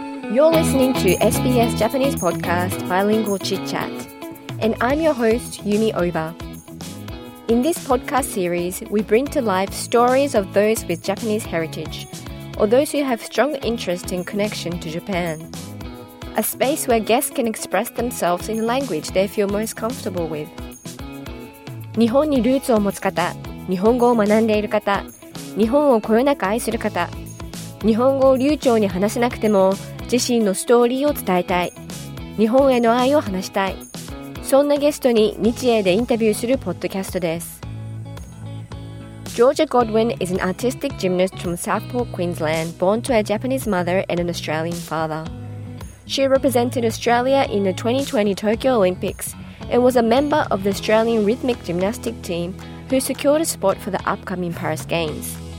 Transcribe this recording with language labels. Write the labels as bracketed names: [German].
[English] You're listening to SBS Japanese podcast Bilingual Chit Chat, and I'm your host, Yumi Oba. In this podcast series, we bring to life stories of those with Japanese heritage, or those who have strong interest and connection to Japan. A space where guests can express themselves in the language they feel most comfortable with. [Japanese] 日本にルーツを持つ方、日本語を学んでいる方、日本をこよなく愛する方、日本語を流暢に話せなくても、自身のストーリーを伝えたい、日本への愛を話したい、そんなゲストに日英でインタビューするポッドキャストです。 [English] Georgia Godwin is an artistic gymnast from Southport, Queensland, born to a Japanese mother and an Australian father. She represented Australia in the 2020 Tokyo Olympics and was a member of the Australian rhythmic gymnastic team who secured a spot for the upcoming Paris Games.